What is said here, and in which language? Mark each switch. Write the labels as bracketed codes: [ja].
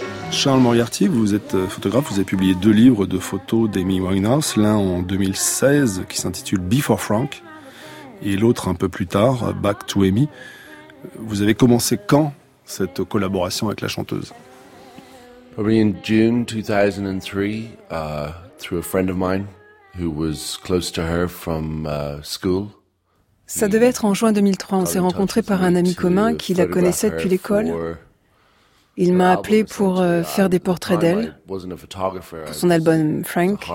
[fr] Charles Moriarty, vous êtes photographe, vous avez publié deux livres de photos d'Amy Winehouse, l'un en 2016 qui s'intitule Before Frank et l'autre un peu plus tard, Back to Amy. Vous avez commencé quand cette collaboration avec la chanteuse? [en] Probably in June 2003, through a friend of mine who was close to her from school. [fr] Ça devait être en juin 2003, on s'est rencontrés par un ami commun qui la connaissait depuis l'école. Il m'a appelé pour faire des portraits d'elle, pour son album Frank.